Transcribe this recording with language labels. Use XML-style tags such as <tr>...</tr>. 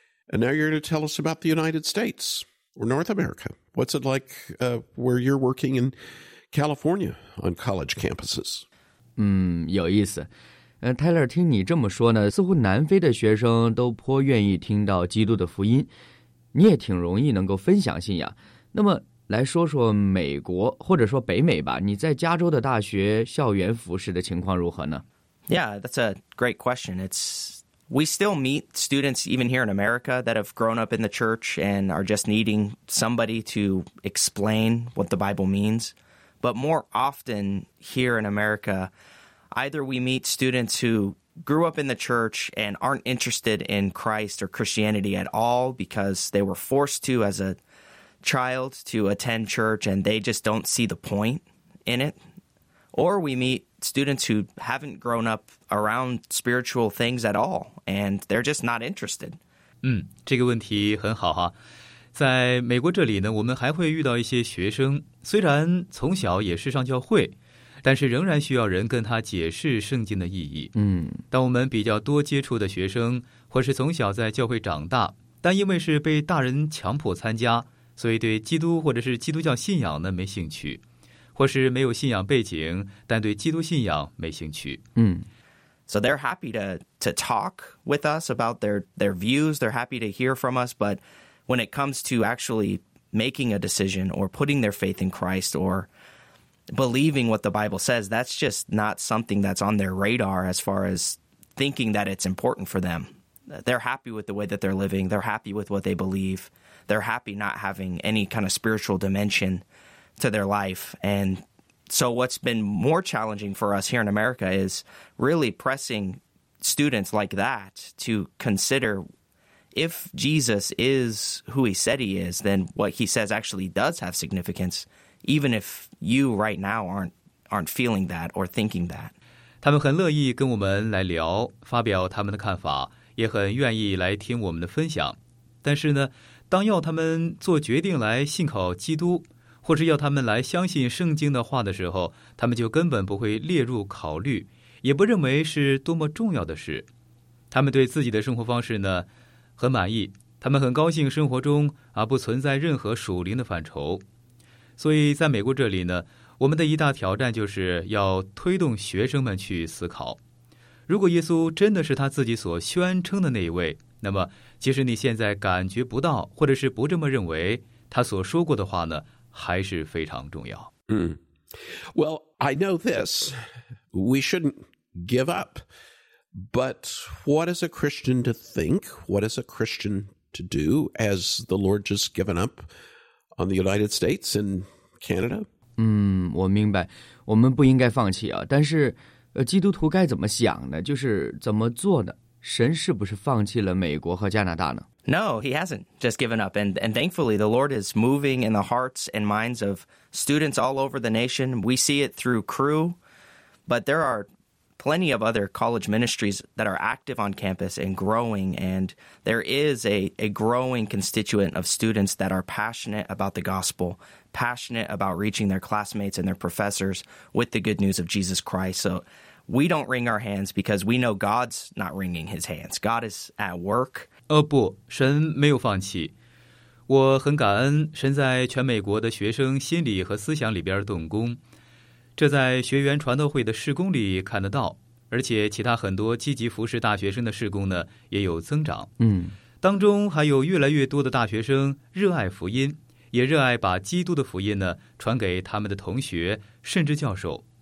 <en>And now you're going to tell us about the United States. Or North America. What's it like where you're working in California on college campuses?</en> <zh>有意思。 Tyler, 听你这么说呢，似乎南非的学生都颇愿意听到基督的福音，你也挺容易能够分享信仰。那么来说说美国或者说北美吧，你在加州的大学校园服事的情况如何呢？</zh> <en>Yeah, that's a great question. We still meet students even here in America that have grown up in the church and are just needing somebody to explain what the Bible means. But more often here in America, either we meet students who grew up in the church and aren't interested in Christ or Christianity at all because they were forced to as a child to attend church and they just don't see the point in it. Or we meet students who haven't grown up around spiritual things at all, and they're just not interested.</en> <zh>这个问题很好哈。在美国这里呢，我们还会遇到一些学生，虽然从小也是上教会，但是仍然需要人跟他解释圣经的意义。当我们比较多接触的学生，或是从小在教会长大，但因为是被大人强迫参加，所以对基督或者是基督教信仰呢没兴趣。或是没有信仰背景，但对基督信仰没兴趣。</zh> <en>So they're happy to talk with us about their views. They're happy to hear from us. But when it comes to actually making a decision or putting their faith in Christ or believing what the Bible says, that's just not something that's on their radar as far as thinking that it's important for them. They're happy with the way that they're living. They're happy with what they believe. They're happy not having any kind of spiritual dimension to their life. And so what's been more challenging for us here in America is really pressing students like that to consider, if Jesus is who he said he is, then what he says actually does have significance, even if you right now aren't feeling that or thinking that.</en> <zh>他们很乐意跟我们来聊，发表他们的看法，也很愿意来听我们的分享。但是呢，当要他们做决定来信靠基督，或是要他们来相信圣经的话的时候，他们就根本不会列入考虑，也不认为是多么重要的事。他们对自己的生活方式呢，很满意，他们很高兴生活中啊不存在任何属灵的范畴。所以在美国这里呢，我们的一大挑战就是要推动学生们去思考，如果耶稣真的是他自己所宣称的那一位，那么即使你现在感觉不到或者是不这么认为，他所说过的话呢还是非常重要。</zh> <en>Well, I know this. We shouldn't give up. But what is a Christian to think? What is a Christian to do? Has the Lord just given up on the United States and Canada?</en> <zh>我明白，我们不应该放弃啊。但是基督徒该怎么想呢？就是怎么做呢？神是不是放弃了美国和加拿大呢？</zh> <en>No, he hasn't just given up. And thankfully, the Lord is moving in the hearts and minds of students all over the nation. We see it through CREW, but there are plenty of other college ministries that are active on campus and growing. And there is a growing constituent of students that are passionate about the gospel, passionate about reaching their classmates and their professors with the good news of Jesus Christ. So we don't wring our hands because we know God's not wringing his hands. God is at work.</en> <zh>不，神没有放弃。我很感恩神在全美国的学生心理和思想里边动工，这在学员传道会的事工里看得到，而且其他很多积极服侍大学生的事工呢也有增长。当中还有越来越多的大学生热爱福音，也热爱把基督的福音呢传给他们的同学甚至教授。</zh>